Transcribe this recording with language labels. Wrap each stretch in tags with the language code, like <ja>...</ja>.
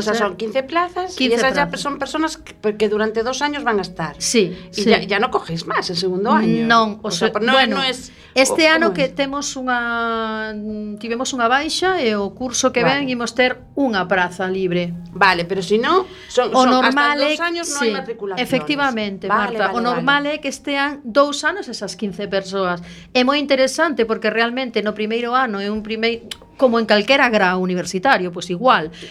<es>O sea, son 15 plazas e esas plazas. Ya son personas que durante 2 años van a estar. Sí.</es> <gl>E ya non coges máis</gl> <es>el segundo año.</es> <gl>Non, este ano que temos tivemos unha baixa e o curso que ven imos ter unha praza libre. Vale, pero si non,</gl> <es>hasta 2 años</es> <gl>non hai matriculación. Efectivamente, Marta. O normal é que estean 2 anos esas 15 persoas. É moi interesante porque realmente no primeiro ano é un primeiro... como en calquera grao universitario, pues igual.</gl>